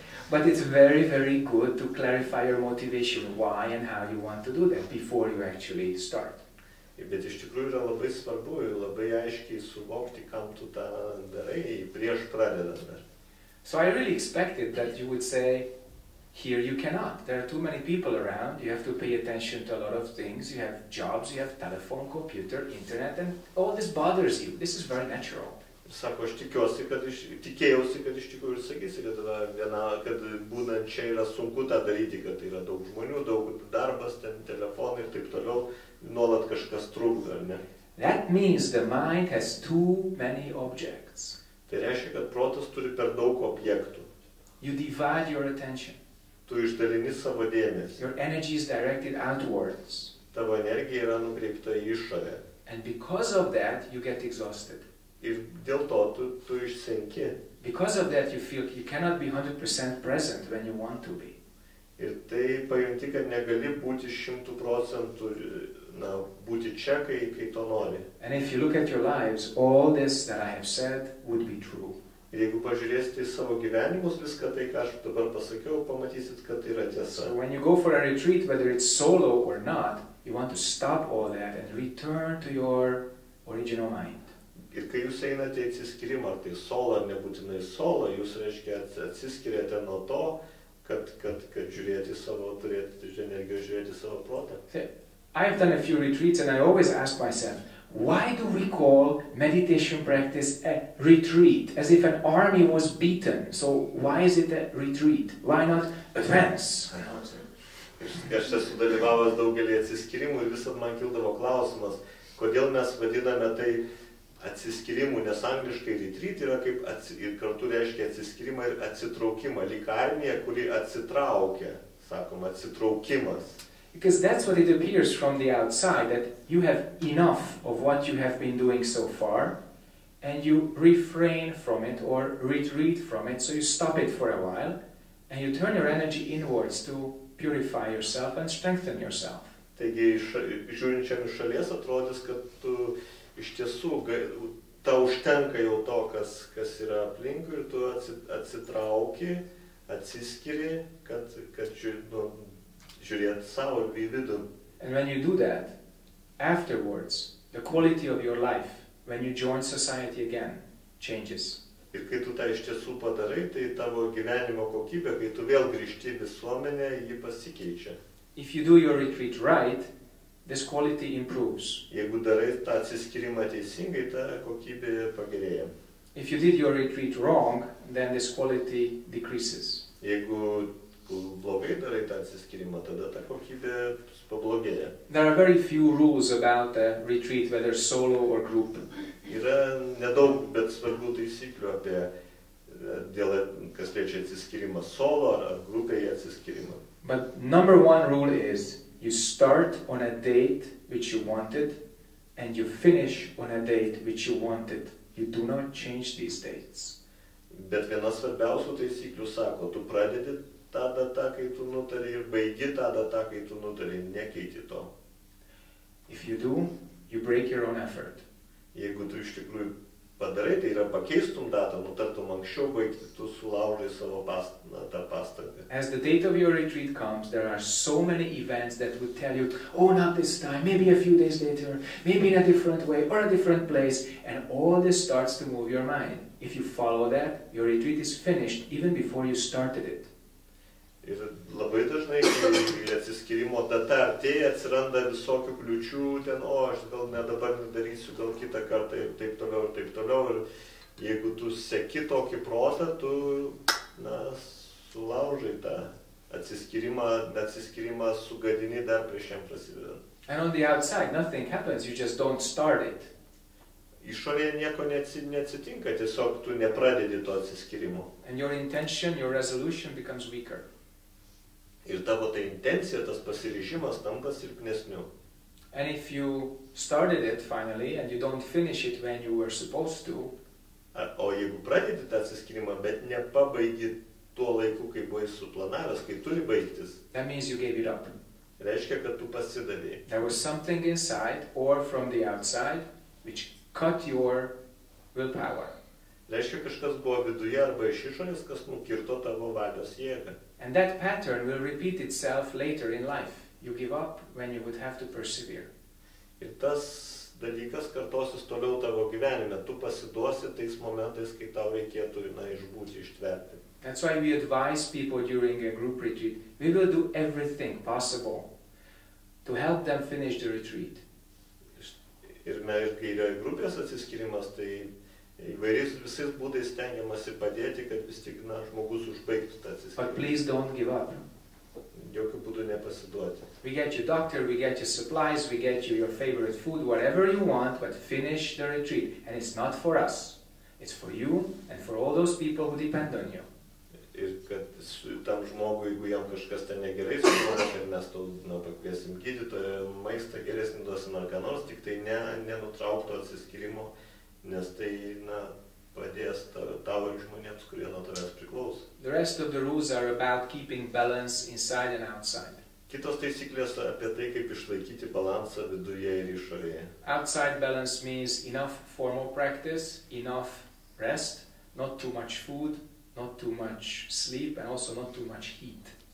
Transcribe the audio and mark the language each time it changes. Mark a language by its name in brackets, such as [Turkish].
[English] But it's very, very good to clarify your motivation, why and how you want to do that before you actually start. [Lithuanian] Bet iš tikrųjų yra labai svarbu ir labai aiškiai suvokti, kam tu tą darai prieš pradedant dar. [English] So I really expected that you would say, here you cannot. There are too many people around. You have to pay attention to a lot of things. You have jobs, you have telephone, computer, internet, and all this bothers you. This is very natural. [Lithuanian] Sako, aš tikėjausi, kad iš tikrųjų ir sakysi, kad yra viena, kad būnant čia yra sunku tą daryti, kad yra daug žmonių, daug darbas, ten telefonai ir taip toliau, nuolat kažkas trukdo, ar ne? [English] That means the mind has too many objects. [Lithuanian] Tai reiškia, kad protas turi per daug objektų. [English] You divide your attention. [Lithuanian] Tu išdalini savo dėmesį. [English] Your energy is directed outwards. [Lithuanian] Tavo energija yra nukreipta į išorę. [English] And because of that, you get exhausted. [Lithuanian] Ir dėl to tu išsenki. [English] Because of that you feel you cannot be 100% present when you want to be. [Lithuanian] Ir tai pajunti, kad negali būti 100% na, būti čia, kai to nori. [English] And if you look at your lives, all this that I have said would be true. [Lithuanian] Ir jeigu pažiūrėsite į savo gyvenimus viską tai, ką aš dabar pasakiau, pamatysit, kad tai yra tiesa. [English] So when you go for a retreat, whether it's solo or not, you want to stop all that and return to your original mind. [Lithuanian] Ir kai jūs einate į atsiskyrimą, ar tai solo, ar nebūtinai solo, jūs, reiškia, atsiskiriate nuo to, kad žiūrėti savo, turėti energiją, žiūrėti savo protą. [English] I have done a few retreats and I always ask myself, why do we call meditation practice a retreat? As if an army was beaten. So why is it a retreat? Why not advance? [Lithuanian] Aš esu dalyvavęs daugelį atsiskyrimų ir visad man kildavo klausimas, kodėl mes vadiname tai atsiskyrimų, nes angliškai retreat yra kaip ir kartu reiškia atsiskyrimą ir atsitraukimą, lyg armija, kuri atsitraukia, sakom, atsitraukimas. [English] Because that's what it appears from the outside, that you have enough of what you have been doing so far, and you refrain from it or retreat from it, so you stop it for a while, and you turn your energy inwards to purify yourself and strengthen yourself. [Lithuanian] Taigi, žiūrint čia iš šalies, atrodys, kad tu iš tiesų, tau užtenka jau to, kas yra aplinkui ir tu atsitrauki, atsiskiri, kad nu, žiūrėt savo į vidų. [English] And when you do that, afterwards, the quality of your life, when you join society again, changes. [Lithuanian] Ir kai tu tą iš tiesų padarai, tai tavo gyvenimo kokybė, kai tu vėl grįžti į visuomenę, ji pasikeičia. [English] If you do your retreat right, this quality improves. [Lithuanian] Jeigu darai tą atsiskyrimą teisingai, ta kokybė pagerėja. [English] If you did your retreat wrong, then this quality decreases. [Lithuanian] Jeigu blogai darai tą atsiskyrimą, tada ta kokybė pablogėja. [English] There are very few rules about the retreat, whether solo or group. [Lithuanian] Yra nedaug, bet svarbių taisyklių apie dėl, kas liečia atsiskyrimą solo ar grupėje atsiskyrimą. [English] But number one rule is, you start on a date which you wanted, and you finish on a date which you wanted. You do not change these dates. [Lithuanian] Bet viena svarbiausių taisyklių sako, tu pradedi tą datą, kai tu nutari, ir baigi tą datą, kai tu nutari, nekeiti to. [English] If you do, you break your own effort. [Lithuanian] Jeigu tu iš tikrųjų padarai, tai yra pakeistum datą, nutartum anksčiau baigti, tu sulaužai savo tą pastangą. [English] As the date of your retreat comes, there are so many events that would tell you, oh, not this time, maybe a few days later, maybe in a different way or a different place, and all this starts to move your mind. If you follow that, your retreat is finished even before you started it. [Lithuanian] Ir labai dažnai, kai atsiskyrimo data artėja, atsiranda visokių kliučių, ten, o, aš gal ne dabar nedarysiu, gal kitą kartą ir taip toliau, ir taip toliau. Ir jeigu tu seki tokį protą, tu, na, sulaužai tą Atsiskyrimą sugadini dar prieš jam prasidedant. [English] And on the outside, nothing happens, you just don't start it. [Lithuanian] Išorėje nieko neatsitinka, tiesiog tu nepradedi to atsiskyrimo. [English] And your intention, your resolution becomes weaker. [Lithuanian] Ir tavo ta intencija, tas pasiryžimas tampa silpnesniu. [English] And if you started it finally and you don't finish it when you were supposed to, [Lithuanian] o jeigu pradedi tą atsiskyrimą, bet nepabaigi tuo laiku, kai buvai suplanavęs, kai turi baigtis, [English] that means you gave it up. [Lithuanian] Reiškia, kad tu pasidavei. [English] There was something inside or from the outside which cut your willpower. [Lithuanian] Reiškia, kažkas buvo viduje arba iš išorės, kas nukirto tavo valios jėgą. [English] And that pattern will repeat itself later in life. You give up when you would have to persevere. [Lithuanian] Ir tas dalykas kartosis toliau tavo gyvenime. Tu pasiduosi tais momentais, kai tau reikėtų išbūti, ištverti. [English] That's why we advise people during a group retreat. We will do everything possible to help them finish the retreat. [Lithuanian] Ir mes, kai yra grupės atsiskyrimas, tai įvairiais visais būdais stengiamasi padėti, kad vis tik žmogus užbaigtų tą atsiskyrimą. [English] But please don't give up. [Lithuanian] Jokių būdų nepasiduoti. [English] We get you doctor, we get you supplies, we get you your favorite food, whatever you want, but finish the retreat. And it's not for us. It's for you and for all those people who depend on you. [Lithuanian] Ir kad tam žmogui, jeigu jam kažkas ten negerai suvokia, kad mes to pakviesim gydytoją, maistą geresnį duosim ar ką nors, tik tai nenutraukto atsiskyrimo, nes tai padės tavo ir žmonėms, kurie nuo tavęs priklauso. [English] The rest of the rules are about keeping balance inside and outside. [Lithuanian] Kitos taisyklės apie tai, kaip išlaikyti balansą viduje ir išorėje. [English] Outside balance means enough formal practice, enough rest, not too much food, not too much sleep and also not too much heat.